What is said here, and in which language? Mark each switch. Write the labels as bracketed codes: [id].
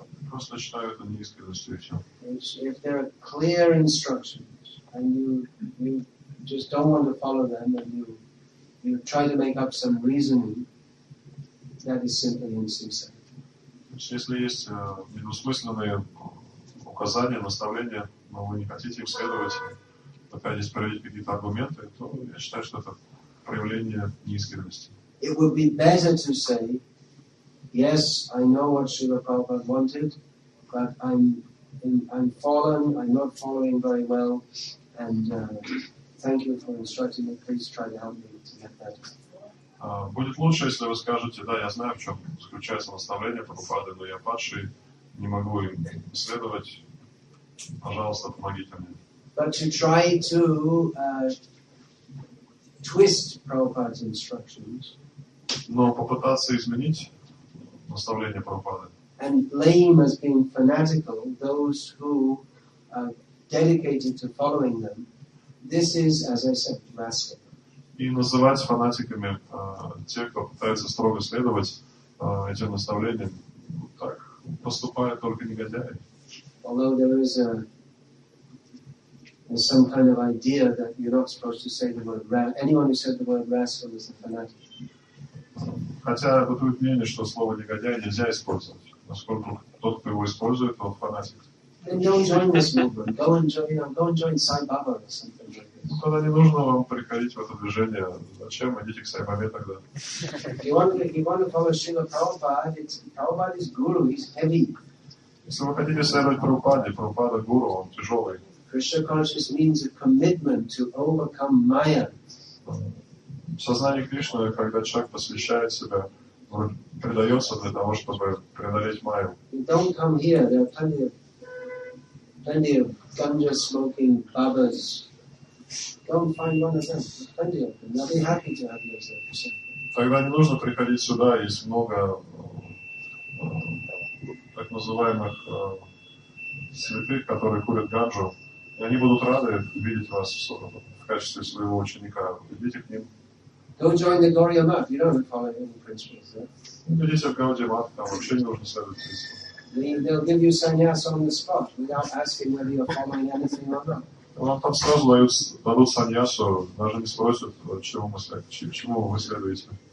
[ru] Просто считаю это неискренностью и все. [en] If there are clear instructions and you just don't want to follow them and you try to make up some reasoning, that is simply insincerity. [ru] Если есть недвусмысленные указания, наставления, но вы не хотите им следовать, пытаетесь проверить какие-то аргументы, то я считаю, что это проявление неискренности. [en] It would be better to say, yes, I know what Srila Prabhupada wanted, but I'm fallen, I'm not following very well, and thank you for instructing me, please try to help me to get better. [ru] Будет лучше, если вы скажете, да, я знаю, в чем заключается наставление Прабхупады, но я падший, не могу им следовать. Пожалуйста, помогите мне. [en] But to try to twist Prabhupada's instructions. [ru] Но попытаться изменить наставление Прабхупады. [en] And blame as being fanatical those who are dedicated to following them. This is, as I said, blasphemy. [ru] И называть фанатиками тех, кто пытается строго следовать этим наставлениям, так поступают только негодяи. [en] Although there is some kind of idea that you're not supposed to say the word rascal. Anyone who said the word rascal is a fanatic. [ru] Хотя бытует мнение, что слово негодяй нельзя использовать, поскольку тот, кто его использует, он фанатик. [en] Then don't join this movement. Go and join Sai Baba or something like that. [ru] Ну, тогда не нужно вам приходить в это движение. Зачем? Идите к Сай Бабе тогда. Если вы хотите следовать Прабхупаде, Прабхупада гуру, он тяжелый. [en] Krishna consciousness means a commitment to overcome Maya. [ru] Сознание Кришны, когда человек посвящает себя, он предается для того, чтобы преодолеть Майю. [en] Don't come here. There are plenty of ganja-smoking babas. Don't find one of them. Plenty of them. They'll be happy to have you as their disciple. [ru] Тогда не нужно приходить сюда, есть много так называемых святых, которые курят ганджу, и они будут рады видеть вас в качестве своего ученика. Идите к ним. [en] Don't join the Gaudiya Math. You don't follow any principles. [ru] Идите в Gaudiya Math. Там вообще не нужно следовать принципам. [en] They'll give you sannyas on the spot without asking whether you're following anything or not. [ru] Вам там сразу дадут саньясу, даже не спросят, чему вы следуете.